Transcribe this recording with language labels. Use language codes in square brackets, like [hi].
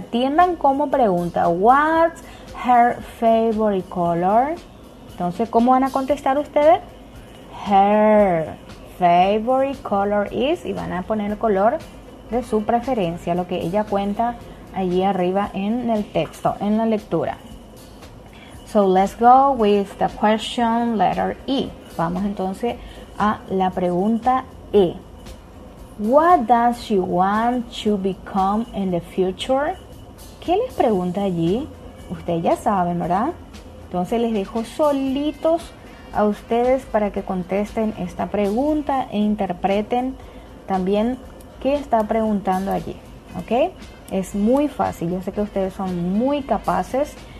[es] Atiendan cómo pregunta. [en] What's her favorite color? [es] Entonces, ¿cómo van a contestar ustedes? [en] Her favorite color is. [es] Y van a poner el color de su preferencia, lo que ella cuenta allí arriba en el texto, en la lectura. [en] So let's go with the question letter E. [es] Vamos entonces a la pregunta E. [en] What does she want to become in the future? [es] ¿Qué les pregunta allí? Ustedes ya saben, ¿verdad? Entonces les dejo solitos a ustedes para que contesten esta pregunta e interpreten también qué está preguntando allí, ¿ok? Es muy fácil, yo sé que ustedes son muy capaces.